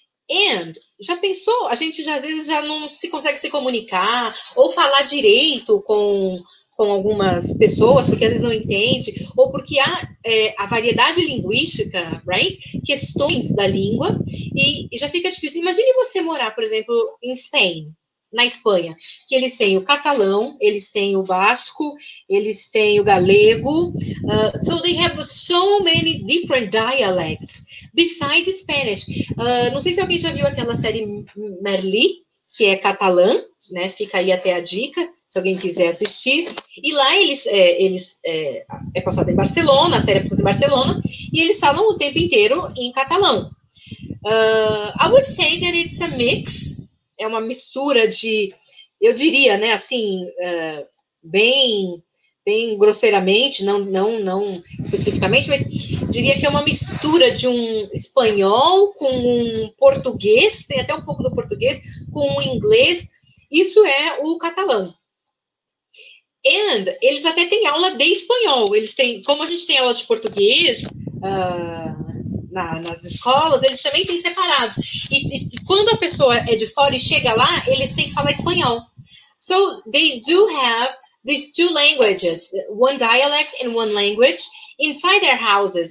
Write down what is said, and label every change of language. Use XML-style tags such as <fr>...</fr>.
<pt>And, já pensou? A gente já, às vezes já não se consegue se comunicar ou falar direito com algumas pessoas, porque às vezes não entende, ou porque há a variedade linguística, right? Questões da língua, e já fica difícil. Imagine você morar, por exemplo, em Spain. Na Espanha, que eles têm o catalão, eles têm o basco, eles têm o galego.</pt> <en>So they have so many different dialects besides Spanish.</en> <pt>Não sei se alguém já viu aquela série Merli, que é catalã, né? Fica aí até a dica, se alguém quiser assistir. E lá eles é passada em Barcelona, a série é passada em Barcelona, e eles falam o tempo inteiro em catalão.</pt> <en>I would say that it's a mix.</en> <pt>É uma mistura de, eu diria, né, assim, bem grosseiramente, não especificamente, mas diria que é uma mistura de um espanhol com um português, tem até um pouco do português, com um inglês. Isso é o catalão. And eles até têm aula de espanhol. Eles têm, como a gente tem aula de português, nas escolas, eles também têm separados. E quando a pessoa é de fora e chega lá, eles têm que falar espanhol.</pt> <en>So, they do have these two languages, one dialect and one language, inside their houses.</en>